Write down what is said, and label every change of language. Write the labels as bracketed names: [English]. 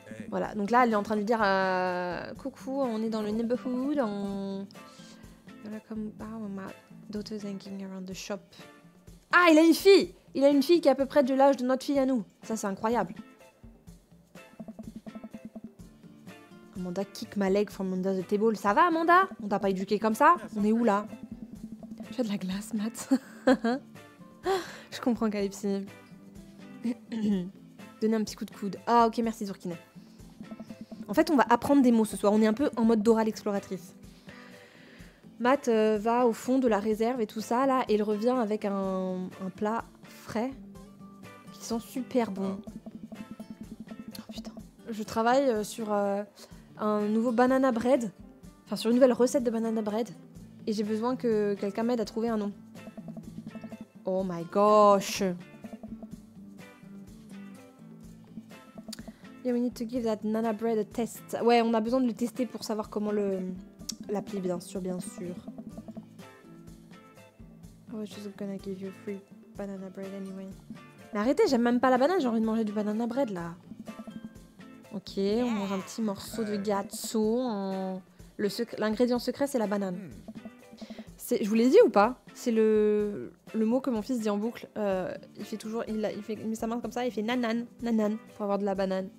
[French] Voilà, donc là, elle est en train de lui dire « Coucou, on est dans le neighborhood, on... » Comme ma [English] daughter's hanging around the shop. [French] Ah, il a une fille! Il a une fille qui est à peu près de l'âge de notre fille à nous. Ça, c'est incroyable. [English] Amanda kick my leg from under the table. [French] Ça va, Amanda? On t'a pas éduqué comme ça? On est où là? Tu as de la glace, Matt? Je comprends, Calypsy. Donnez un petit coup de coude. Ah, ok, merci, Zurkine. En fait, on va apprendre des mots ce soir. On est un peu en mode Dora l'exploratrice. Matt va au fond de la réserve et tout ça, là, et il revient avec un plat frais qui sent super bon. Oh putain. Je travaille sur un nouveau banana bread, enfin sur une nouvelle recette de banana bread, et j'ai besoin que quelqu'un m'aide à trouver un nom. [English] Oh my gosh! Yeah, we need to give that banana bread a test. [French] Ouais, on a besoin de le tester pour savoir comment le... L'appli, bien sûr. [English] I was just gonna give you free banana bread anyway. [French] Mais arrêtez, j'aime même pas la banane, j'ai envie de manger du banana bread là. [English] Ok, yeah. [French] On mange un petit morceau de gâteau. L'ingrédient secret, c'est la banane. Je vous l'ai dit ou pas? C'est le mot que mon fils dit en boucle. Il met sa main comme ça, il fait nanan, nanan, pour avoir de la banane.